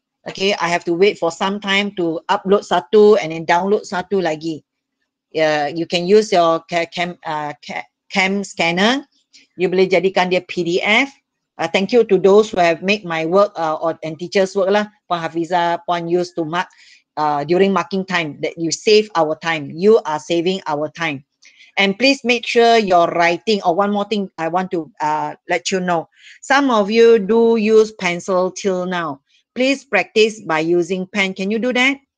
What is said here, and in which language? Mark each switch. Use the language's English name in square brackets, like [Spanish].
[English] Okay, I have to wait for some time to upload [Malay] satu [English] and then download [Malay] satu lagi. [English] You can use your cam scanner. You [Malay] boleh jadikan dia PDF. [English] Thank you to those who have made my work and teacher's work lah. Puan Hafizah, Puan use to mark during marking time, that you save our time. You are saving our time. And please make sure your writing, or one more thing I want to let you know. Some of you do use pencil till now. Please practice by using pen. Can you do that?